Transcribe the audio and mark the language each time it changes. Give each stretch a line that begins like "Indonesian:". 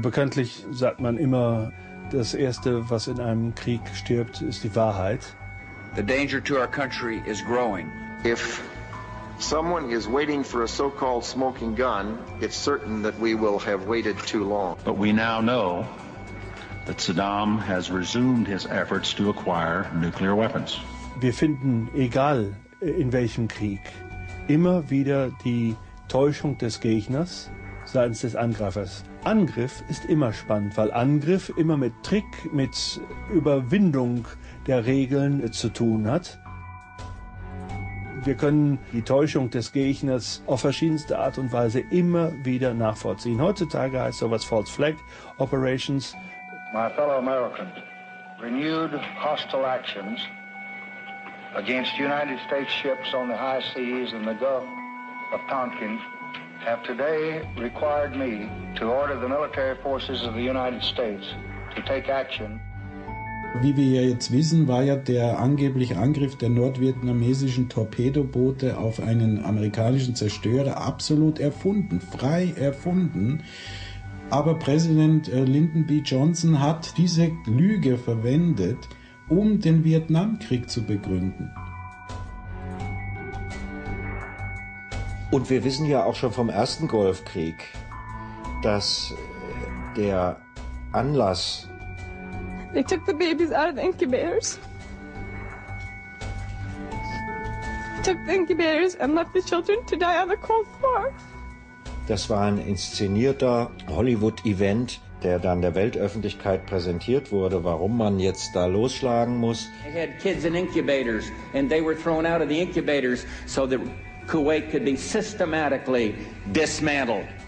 German: Bekanntlich sagt man immer, das Erste, was in einem Krieg stirbt, ist die Wahrheit.
English: The danger to our country is growing. If someone is waiting for a so-called smoking gun, it's certain that we will have waited too long. But we now know that Saddam has resumed his efforts to acquire nuclear weapons.
German: Wir finden, egal in welchem Krieg, immer wieder die Täuschung des Gegners seitens des Angreifers. Angriff ist immer spannend, weil Angriff immer mit Trick, mit Überwindung der Regeln zu tun hat. Wir können die Täuschung des Gegners auf verschiedenste Art und Weise immer wieder nachvollziehen. Heutzutage heißt sowas False Flag Operations.
English: My fellow Americans, renewed hostile actions against United States ships on the high seas in the Gulf of Tonkin have today required me to order the military forces of the United States to take action.
German: Wie wir ja jetzt wissen, war ja der angebliche Angriff der nordvietnamesischen Torpedoboote auf einen amerikanischen Zerstörer absolut erfunden, frei erfunden. Aber Präsident Lyndon B. Johnson hat diese Lüge verwendet, um den Vietnamkrieg zu begründen. Und wir wissen ja auch schon vom ersten Golfkrieg, dass der Anlass...
English: They took the babies out of the incubators. Took the incubators and left the children to die on the cold floor.
German: Das war ein inszenierter Hollywood-Event, der dann der Weltöffentlichkeit präsentiert wurde, warum man jetzt da losschlagen muss.
English: They had kids in incubators and they were thrown out of the incubators so that Kuwait could be systematically dismantled.